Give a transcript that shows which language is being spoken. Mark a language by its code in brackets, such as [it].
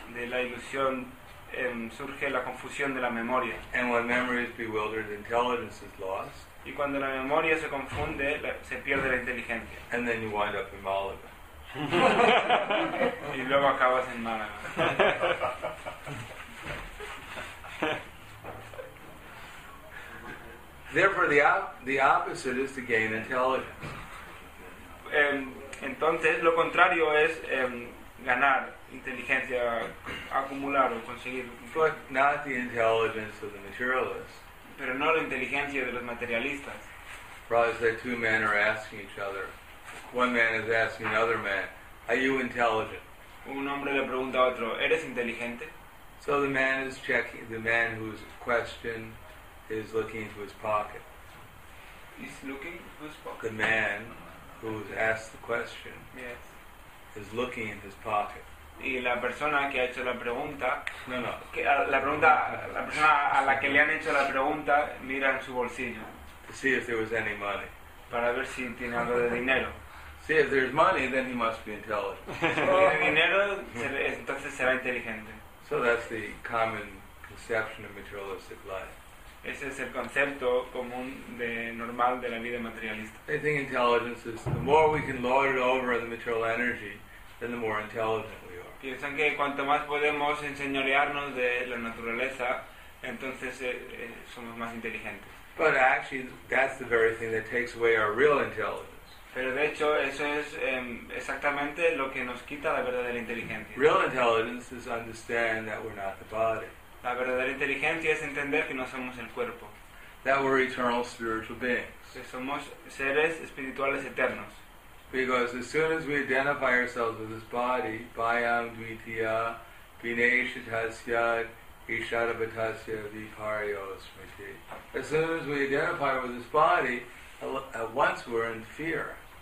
[es] De la ilusión surge la confusión de la memoria. [en] And when memory is bewildered, intelligence is lost. [es] Y cuando la memoria se confunde, se pierde la inteligencia. [en] And then you wind up in Malaga. [es] Y luego acabas en Málaga. [en] Therefore, the opposite is to gain intelligence. [es] Entonces, lo contrario es ganar inteligencia, acumular o conseguir. [en] But not the intelligence of the materialists. [es] Pero no la inteligencia de los materialistas. [en] Probably say two men are asking each other. One man is asking another man, are you intelligent? [es] Un hombre le pregunta a otro, ¿eres inteligente? [en] So the man is checking, the man who's questioned is looking into his pocket. He's looking into his pocket. The man who's asked the question, yes, is looking in his pocket. [es] Y la persona que ha hecho la pregunta, no, no. Que la pregunta, la persona a la que le han hecho la pregunta mira en su bolsillo. [en] To see if there was any money. [es] Para ver si tiene algo de dinero. [en] See if there's money, then he must be intelligent. [es] Si tiene dinero, entonces será inteligente. [en] So that's the common conception of materialistic life. [es] Ese es el concepto común de normal de la vida materialista. [en] I think intelligence is the more we can lord it over the material energy, then the more intelligent we are. [es] Piensan que cuanto más podemos enseñorearnos de la naturaleza, entonces somos más inteligentes. [en] But actually, that's the very thing that takes away our real intelligence. [es] Pero de hecho, eso es exactamente lo que nos quita la verdadera inteligencia. [en] Real intelligence is understand that we're not the body. [es] La verdadera inteligencia es entender que no somos el cuerpo. [en] That we're eternal spiritual beings. [es] Que somos seres espirituales eternos. [en] Because as soon as we identify ourselves with this body, [sa] bhayam dvitiya vineshatasya ishadabhatasya vipariyo smriti. [en] As soon as we identify with this body, at once we're in fear.